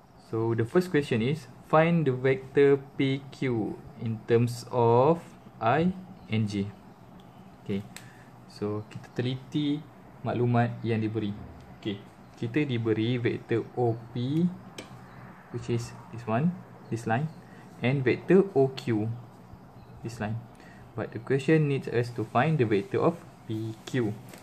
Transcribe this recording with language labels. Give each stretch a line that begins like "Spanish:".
English: So the first question is find the vector PQ in terms of I and J.
Malay: Okay, so kita teliti maklumat yang diberi.
English: Okay,
Malay: kita diberi
English: vector OP, which is this one, this line, and vector OQ, this line. But the question needs us to find the vector of PQ.